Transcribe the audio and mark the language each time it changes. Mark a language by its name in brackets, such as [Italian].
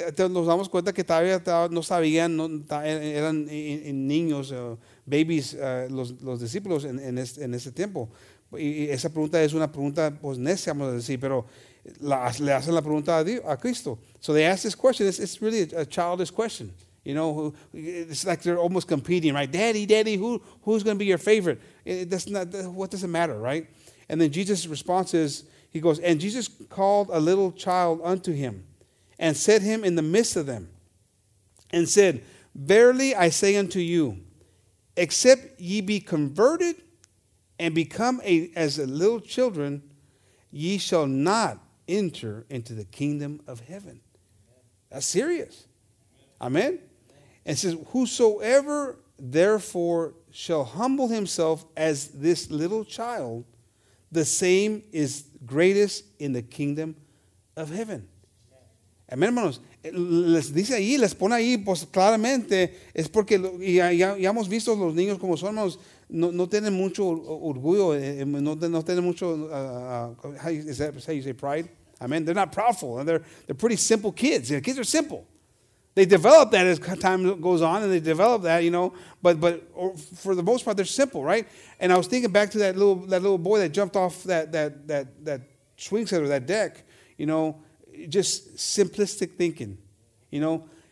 [Spanish] Nos damos cuenta que todavía no sabían, eran niños, babies, los discípulos en ese tiempo. Y esa pregunta es una pregunta, pues, necia, vamos a decir, pero le hacen la pregunta a Cristo. [English] So they ask this question. It's really a childish question. You know, it's like they're almost competing, right? Daddy, who's going to be your favorite? What does it matter, right? And then Jesus' response is, he goes, "And Jesus called a little child unto him and set him in the midst of them and said, Verily I say unto you, except ye be converted and become as a little children, ye shall not enter into the kingdom of heaven." That's serious. Amen. And it says, "Whosoever therefore shall humble himself as this little child, the same is greatest in the kingdom of heaven." [Spanish] Amen, hermanos. Les dice ahí, les pone ahí, pues claramente, es porque ya hemos visto los niños como son, hermanos. No tienen mucho orgullo, no tienen mucho, [English] is that how you say pride? I mean, they're not proudful, and they're pretty simple kids. The kids are simple. They develop that as time goes on, and they develop that, you know. But or for the most part, they're simple, right? And I was thinking back to that little boy that jumped off that swing set or that deck, you know, just simplistic thinking, you know.